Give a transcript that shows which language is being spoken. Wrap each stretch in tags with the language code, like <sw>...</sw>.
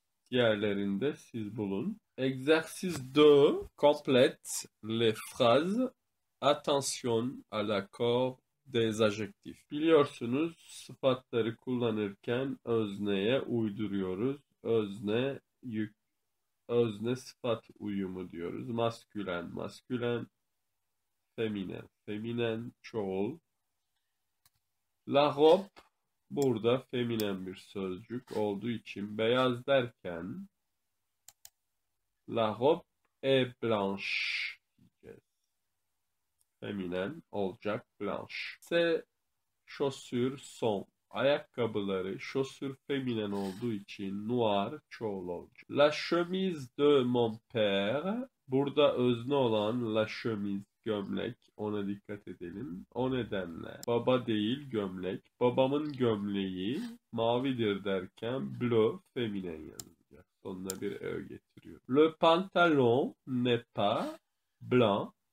<tr>Diğerlerinde siz bulun.</tr> <fr>Exercice 2. Complète les phrases. Attention à l'accord des adjectifs.</fr> <tr>Biliyorsunuz, sıfatları kullanırken özneye uyduruyoruz. Özne, yük, özne sıfat uyumu diyoruz. Maskülen, maskülen. Feminen, feminen, çoğul. La robe, burada feminen bir sözcük olduğu için beyaz derken</tr> <fr>la robe est blanche.</fr> <tr>Feminen olacak,</tr> <fr>blanche. Ses chaussures sont.</fr> <tr>Ayakkabıları, şosür feminen olduğu için noir çoğul olacak.</tr> <fr>La chemise de mon père.</fr> <tr>Burada özne olan</tr> <fr>la chemise,</fr> <tr>gömlek. Ona dikkat edelim. O nedenle baba değil, gömlek. Babamın gömleği mavidir derken bleu feminen yazılır. Sonuna bir ö getiriyor.</tr> <fr>Le pantalon n'est pas blanc.</fr>